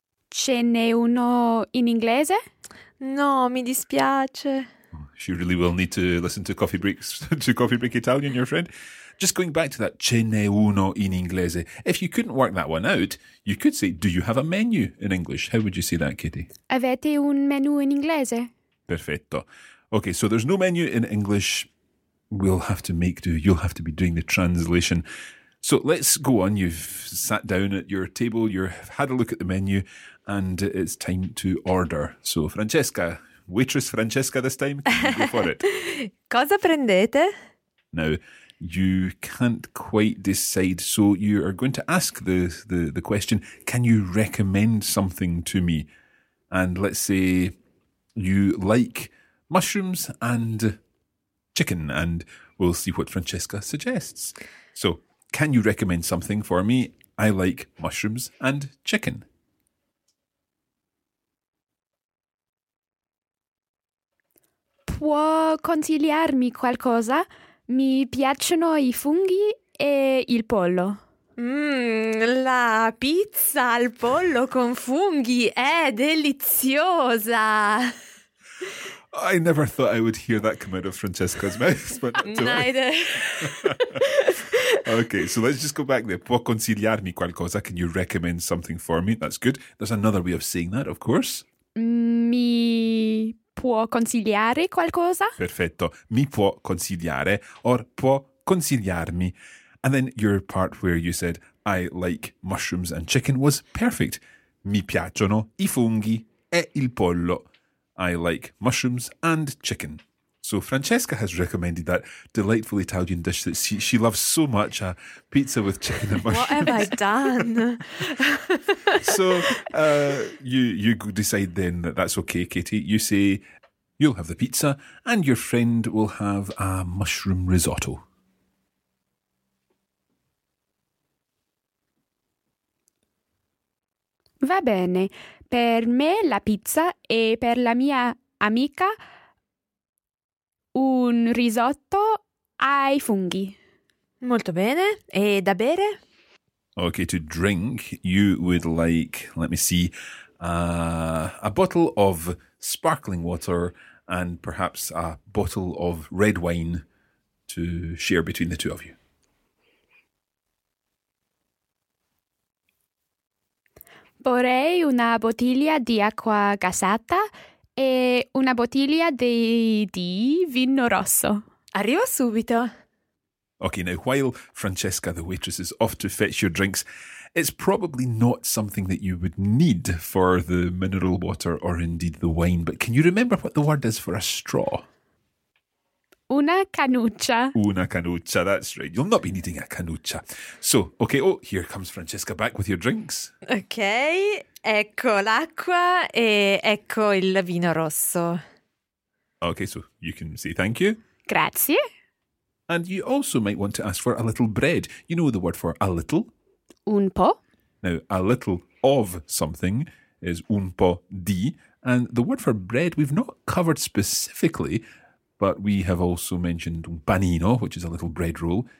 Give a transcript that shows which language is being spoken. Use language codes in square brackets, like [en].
[it] Ce n'è uno in inglese? No, mi dispiace. [en] She really will need to listen to Coffee Breaks, to Coffee Break Italian, your friend. Just going back to that, [it] ce n'è uno in inglese. [en] If you couldn't work that one out, you could say, do you have a menu in English? How would you say that, Katie? [it] Avete un menu in inglese? Perfetto. [en] Okay, so there's no menu in English. We'll have to make do. You'll have to be doing the translation. So let's go on. You've sat down at your table. You've had a look at the menu and it's time to order. So Francesca, waitress Francesca this time, can you go for it? [it] Cosa prendete? [en] Now, you can't quite decide. So you are going to ask the question, can you recommend something to me? And let's say you like mushrooms and chicken, and we'll see what Francesca suggests. So, can you recommend something for me? I like mushrooms and chicken. [it] Può consigliarmi qualcosa? Mi piacciono i funghi e il pollo. La pizza al pollo con funghi è deliziosa! [en] I never thought I would hear that come out of Francesca's mouth. But neither. Okay, so let's just go back there. [it] Può consigliarmi qualcosa? [en] Can you recommend something for me? That's good. There's another way of saying that, of course. [it] Mi può consigliare qualcosa? Perfetto. Mi può consigliare or può consigliarmi. [en] And then your part where you said, I like mushrooms and chicken was perfect. [it] Mi piacciono I funghi e il pollo. [en] I like mushrooms and chicken. So Francesca has recommended that delightful Italian dish that she loves so much, a pizza with chicken and mushrooms. What have I done? So you decide then that that's okay, Katie. You say you'll have the pizza and your friend will have a mushroom risotto. [it] Va bene. Per me la pizza e per la mia amica un risotto ai funghi. Molto bene. E da bere? [en] Okay, to drink, you would like, let me see, a bottle of sparkling water and perhaps a bottle of red wine to share between the two of you. [it] Vorrei una bottiglia di acqua gassata e una bottiglia di vino rosso. Arrivo subito. [en] Okay, now while Francesca, the waitress, is off to fetch your drinks, it's probably not something that you would need for the mineral water or indeed the wine, but can you remember what the word is for a straw? [it] Una canuccia. [en] Una canuccia, that's right. You'll not be needing a canuccia. So, okay, oh, here comes Francesca back with your drinks. [it] Okay, ecco l'acqua e ecco il vino rosso. [en] Okay, so you can say thank you. [it] Grazie. [en] And you also might want to ask for a little bread. You know the word for a little? [it] Un po'. [en] Now, a little of something is un po' di. And the word for bread we've not covered specifically, but we have also mentioned un panino, which is a little bread roll.